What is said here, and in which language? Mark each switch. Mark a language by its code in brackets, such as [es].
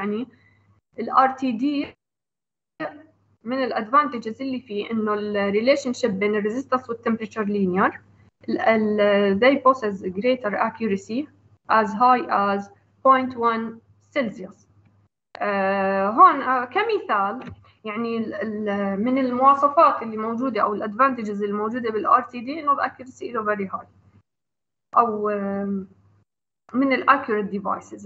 [ar] يعني الار تي دي من الادفانتجز اللي فيه انه الريليشن شيب بين الريزستنس والتمبريتشر لينير. [en] they possess greater accuracy as high as 0.1 Celsius. [ar] هون كمثال يعني من المواصفات اللي موجوده او الادفانتجز اللي موجوده بالار تي دي انه الاكيرسي له [en] very high [ar] او من الاكيوريت ديفايسز.